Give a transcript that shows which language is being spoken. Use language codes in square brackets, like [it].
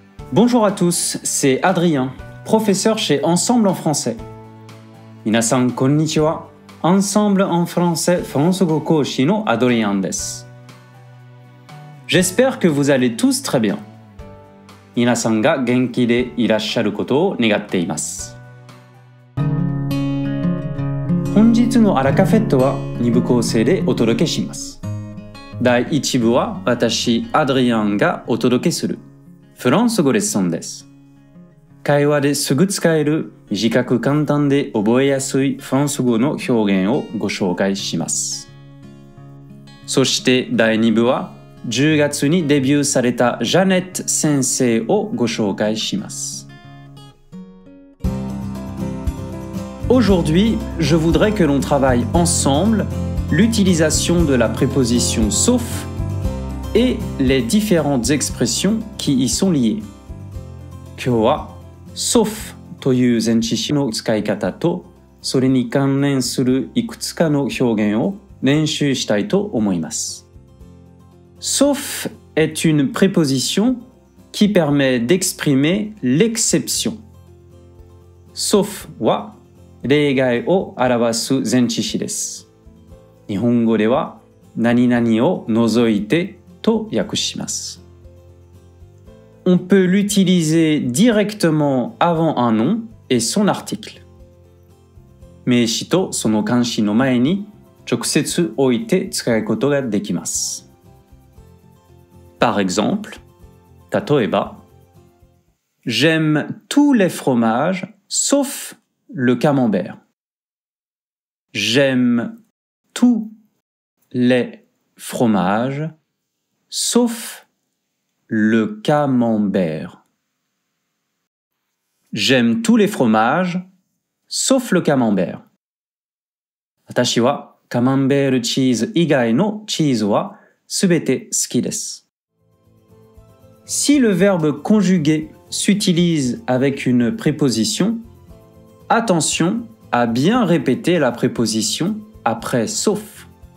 [fr] Bonjour à tous, c'est Adrien, professeur chez Ensemble en français. [ja] 皆さんこんにちは。 Ensemble en français フランス語講師のアドリアンです。 [fr] J'espère que vous allez tous très bien. [ja] 皆さんが元気でいらっしゃることを願っています。本日のアラカフェットは2部構成でお届けします。第1部は私、アドリアンがお届けするフランス語レッスンです。会話ですぐ使える、自覚簡単で覚えやすいフランス語の表現をご紹介します。そして第2部は、10月にデビューされたジャネット先生をご紹介します。 [fr] Aujourd'hui, je voudrais que l'on travaille ensemble l'utilisation de la préposition « sauf » et les différentes expressions qui y sont liées. [ja] 今日は「sauf」という前置詞の使い方とそれに関連するいくつかの表現を練習したいと思います。 [fr] Sauf est une préposition qui permet d'exprimer l'exception. [ja] Sauf は例外を表す前置詞です。日本語では何々を除いてと訳します。 [fr] On peut l'utiliser directement avant un nom et son article. [ja] 名詞とその冠詞の前に直接置いて使うことができます。 [fr] Par exemple, [ja] tatoeba, [fr] j'aime tous les fromages sauf le camembert. J'aime tous les fromages sauf le camembert. J'aime tous les fromages sauf le camembert. [ja] 私はカマンベールチーズ以外のチーズはすべて好きです。 [fr] Si le verbe conjugué s'utilise avec une préposition, attention à bien répéter la préposition après sauf.